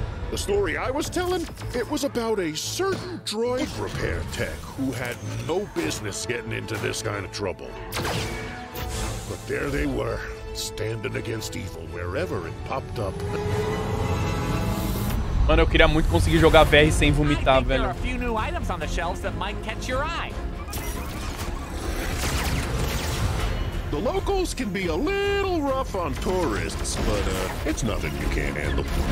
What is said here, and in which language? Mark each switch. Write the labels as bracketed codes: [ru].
[en] The story I was telling, it was about a certain droid repair tech who had no business getting into this kind of trouble. But there they were, standing against evil wherever it popped up. [pt] Mano, eu queria muito conseguir jogar VR sem vomitar, velho. [en] There are a few new items on the shelves that might catch your eye. The locals can be a little rough on tourists, but it's nothing you can't handle.